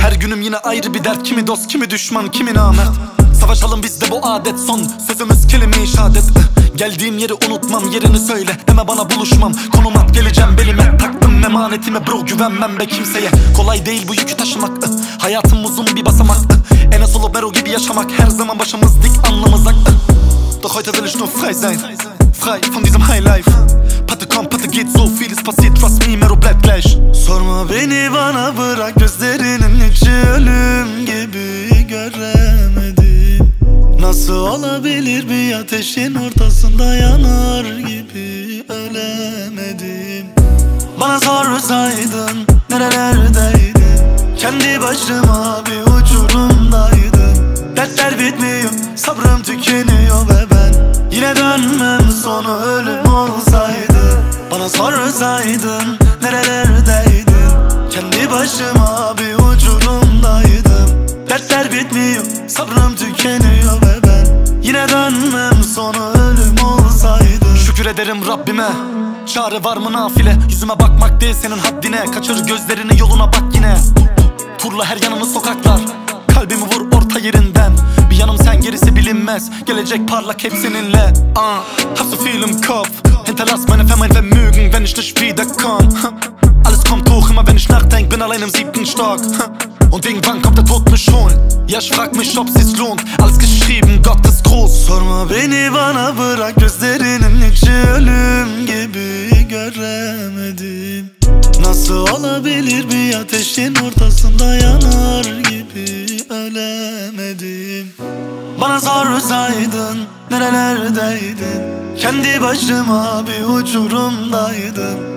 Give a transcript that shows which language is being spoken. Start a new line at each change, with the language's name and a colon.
Turkish: Her günüm yine ayrı bir dert, kimi dost kimi düşman kimi namert. Savaşalım bizde bu adet, son sözümüz kelime-i şehadet. Geldiğim yeri unutmam, yerini söyle deme bana buluşmam. Konum at, geleceğim belime, taktım emanetime bro, güvenmem be kimseye. Kolay değil bu yükü taşımak, hayatım uzun bir basamak. Enes Olubero gibi yaşamak, her zaman başımız dik anlamazak.
German: Doch heute will ich nur frei sein, frei von diesem high life. Patte komm patte geht, so vieles passiert,
English: trust me
German: mero bleib gleich.
Turkish: Sorma beni bana bırak, gözlerinin içi ölüm gibi göremedim. Nasıl olabilir bir ateşin ortasında yanar gibi ölemedim. Bana sorsaydın nerelerdeydin, kendi başıma bir uçurumdaydım. Dertler bitmiyor, sabrım tükeniyor ve ben yine dönmem, sonu ölüm olsaydı. Bana sorsaydın nerelerdeydin, kendi başıma bir uçurumdaydım. Dertler bitmiyor, sabrım tükeniyor ve yine dönmem, sonu ölüm olsaydı. Şükür ederim Rabbime, çare var mı nafile? Yüzüme bakmak değil senin haddine, kaçır gözlerini yoluna bak yine. Turla her yanını sokaklar, kalbimi vur orta yerinden. Bir yanım sen, gerisi bilinmez, gelecek parlak hep seninle.
German: Hast du viel im Kopf, hinterlass meine Familie vermögen, wenn ich nicht wiederkomm. Alles kommt hoch, immer wenn ich nachdenk, bin allein im siebten Stock. Und irgendwann kommt der Tod mich holen. Ja, ich frag mich, ob sich's lohnt. Alles geschrieben, Gott ist groß.
Turkish: Sorma beni bana bırak, gözlerinin içi ölüm gibi göremedim. Nasıl olabilir bir ateşin ortasında yanar gibi ölemedim. Bana sorsaydın nerelerdeydin, kendi başıma bir uçurumdaydım.